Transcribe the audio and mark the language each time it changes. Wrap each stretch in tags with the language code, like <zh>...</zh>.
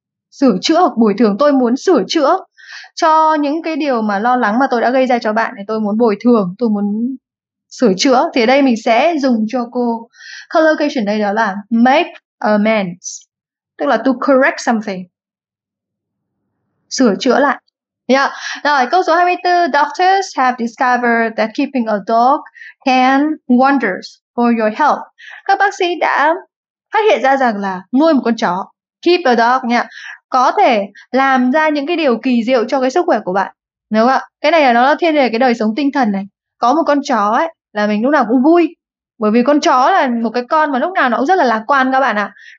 <vi>Sửa chữa hoặc bồi thường, tôi muốn sửa chữa cho những cái điều mà lo lắng mà tôi đã gây ra cho bạn, thì tôi muốn bồi thường, tôi muốn sửa chữa. Thì ở đây mình sẽ dùng cho cô collocation đây, đó là</vi> <en>make amends,</en> <vi>tức là</vi> <en>to correct something,</en> <vi>sửa chữa lại. Rồi câu số 24,</vi> <en>doctors have discovered that keeping a dog can wonders for your health.</en> <vi>Các bác sĩ đã phát hiện ra rằng là nuôi một con chó,</vi> <en>keep a dog</en> <vi>nha, có thể làm ra những cái điều kỳ diệu cho cái sức khỏe của bạn. Đúng không ạ? Cái này là nó thiên về cái đời sống tinh thần này. Có một con chó ấy là mình lúc nào cũng vui. Bởi vì con chó là một cái con mà lúc nào nó cũng rất là lạc quan các bạn ạ.</vi>